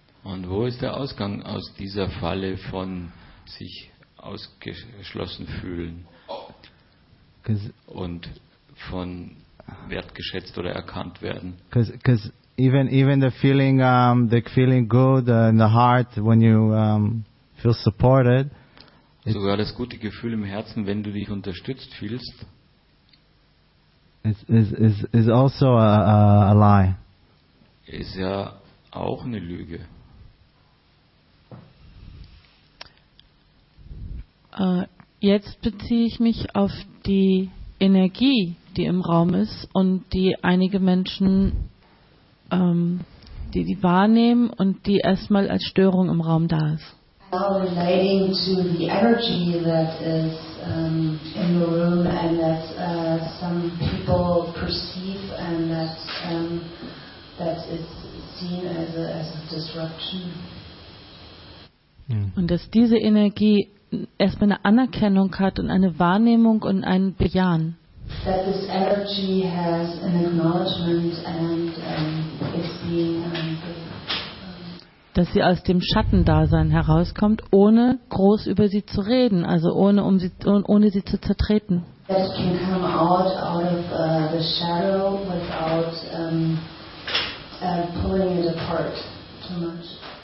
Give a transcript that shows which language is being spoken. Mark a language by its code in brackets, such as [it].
[de] Und wo ist der Ausgang aus dieser Falle von sich ausgeschlossen fühlen und von wertgeschätzt oder erkannt werden? [en] Even the feeling good in the heart when you feel supported. [de] Sogar das gute Gefühl im Herzen, wenn du dich unterstützt fühlst. [en] Is also a lie. [de] Ist ja auch eine Lüge. Jetzt beziehe ich mich auf die Energie, die im Raum ist und die einige Menschen die wahrnehmen und die erstmal als Störung im Raum da ist. [en] Now relating to the energy that is in the room and that some people perceive and that that is seen as a disruption. [de] Und dass diese Energie erstmal eine Anerkennung hat und eine Wahrnehmung und ein Bejahen. [en] That this energy has an acknowledgement and it's being [de] dass sie aus dem Schattendasein herauskommt, ohne groß über sie zu reden, also ohne ohne sie zu zertreten. [en] That can come out of the shadow without pulling it apart too much.